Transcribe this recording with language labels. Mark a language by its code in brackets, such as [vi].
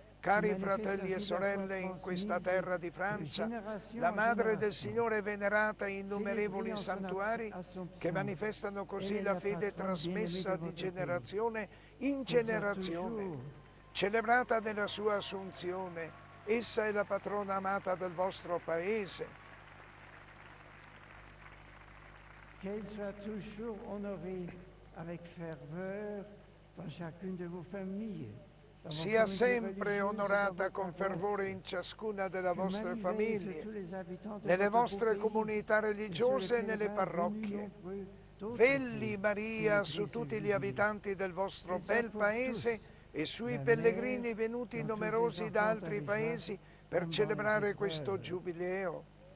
[it] Cari fratelli e sorelle, in questa terra di Francia, la Madre del Signore è venerata in innumerevoli santuari che manifestano così la fede trasmessa di generazione in generazione. Celebrata nella sua Assunzione, essa è la patrona amata del vostro paese. Che sarà [fr] toujours onorée avec ferveur dans chacune de vos familles. [it] Sia sempre onorata con fervore in ciascuna delle vostre famiglie, nelle vostre comunità religiose e nelle parrocchie. Vegli Maria su tutti gli abitanti del vostro bel paese e sui pellegrini venuti numerosi da altri paesi per celebrare questo giubileo.